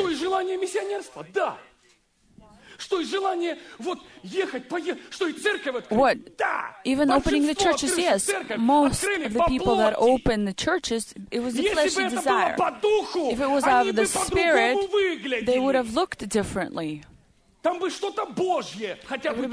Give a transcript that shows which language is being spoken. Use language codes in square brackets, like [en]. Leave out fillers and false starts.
[ru] Что из желания миссионерства? Да. Что из желания вот ехать, поехать? Что и церковь открыть? [en] What? [ru] Да. [en] Even opening the churches, yes. Most of the people that opened the churches, it was a fleshly desire. If it was out of the spirit, they would have looked differently. [ru] Там бы что-то Божье, хотя бы